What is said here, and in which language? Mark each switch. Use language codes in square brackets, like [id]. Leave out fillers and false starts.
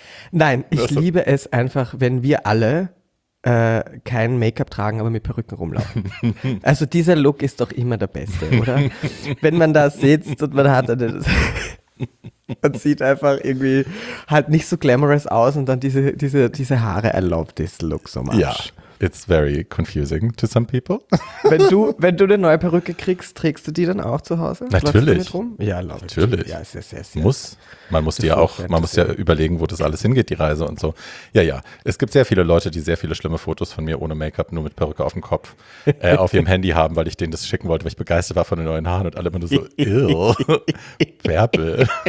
[de] Nein, ich liebe es einfach, wenn wir alle kein Make-up tragen, aber mit Perücken rumlaufen. Also dieser Look ist doch immer der beste, oder? Wenn man da sitzt und man hat eine... Man sieht einfach irgendwie halt nicht so glamorous aus und dann diese Haare, [en] I love this look so much. Ja, yeah, it's very confusing to some people. [de] Wenn du eine neue Perücke kriegst, trägst du die dann auch zu Hause? Natürlich. Du rum? Ja, love natürlich. It. Ja, sehr, sehr, sehr. Man muss ja überlegen, wo das alles hingeht, die Reise und so. Ja, ja, es gibt sehr viele Leute, die sehr viele schlimme Fotos von mir ohne Make-up, nur mit Perücke auf dem Kopf, auf ihrem Handy haben, weil ich denen das schicken wollte, weil ich begeistert war von den neuen Haaren und alle immer nur so, ew, Bärbel.